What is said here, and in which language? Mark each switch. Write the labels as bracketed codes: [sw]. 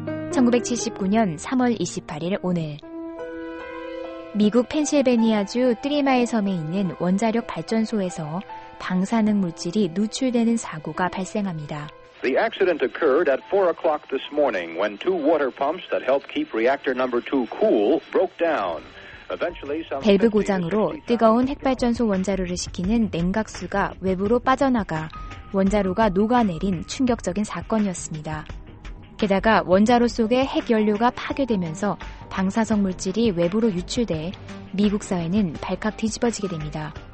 [ko] 1979년 3월 28일 오늘 미국 펜실베니아주 트리마의 섬에 있는 원자력 발전소에서 방사능 물질이 누출되는 사고가 발생합니다. [en] The accident occurred at 4 o'clock this morning when two water pumps that help keep reactor number 2 cool broke down. [ko] 밸브 고장으로 뜨거운 핵발전소 원자로를 식히는 냉각수가 외부로 빠져나가 원자로가 녹아내린 충격적인 사건이었습니다. 게다가 원자로 속에 핵연료가 파괴되면서 방사성 물질이 외부로 유출돼 미국 사회는 발칵 뒤집어지게 됩니다.